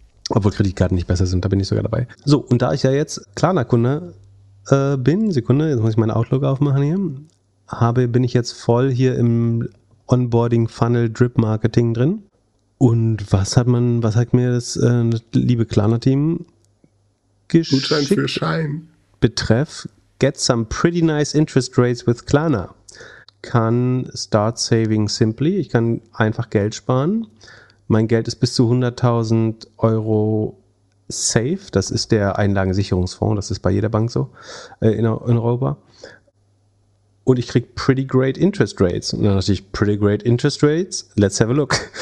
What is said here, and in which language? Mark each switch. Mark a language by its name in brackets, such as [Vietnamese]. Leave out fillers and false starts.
[German] Obwohl Kreditkarten nicht besser sind, da bin ich sogar dabei. So, und da ich ja jetzt Klarna-Kunde bin, Sekunde, jetzt muss ich meinen Outlook aufmachen hier, bin ich jetzt voll hier im Onboarding Funnel Drip Marketing drin. Und was hat mir das liebe Klarna-Team geschickt? Gutschein für Schein. [English] Betreff, get some pretty nice interest rates with Klarna. Kann start saving simply. [German] Ich kann einfach Geld sparen. Mein Geld ist bis zu 100.000 Euro safe. Das ist der Einlagensicherungsfonds. Das ist bei jeder Bank so in Europa. Und ich kriege [English] pretty great interest rates. [German] Und dann dachte ich, [English] pretty great interest rates? Let's have a look.